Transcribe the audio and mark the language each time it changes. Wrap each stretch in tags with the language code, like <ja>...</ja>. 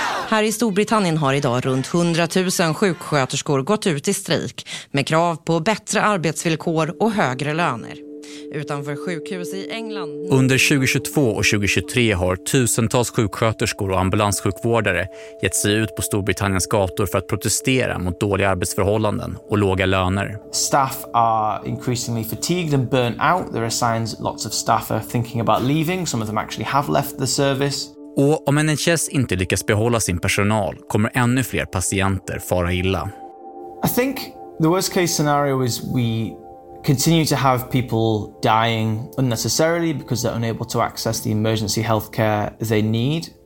<sv>Här i Storbritannien har idag runt 100 000 sjuksköterskor gått ut i strejk med krav på bättre arbetsvillkor och högre löner. Utanför sjukhus i England. Under 2022 och 2023 har tusentals sjuksköterskor och ambulanssjukvårdare gett sig ut på Storbritanniens gator för att protestera mot dåliga arbetsförhållanden och låga löner.</sv> <en>Staff are increasingly fatigued and burnt out. There are signs lots of staff are thinking about leaving. Some of them actually have left the service.</en> <sv>Och om NHS inte lyckas behålla sin personal kommer ännu fler patienter fara illa.</sv> <en>I think the worst case scenario is we continue to have people dying unnecessarily because they're unable to access the emergency healthcare they need.</en>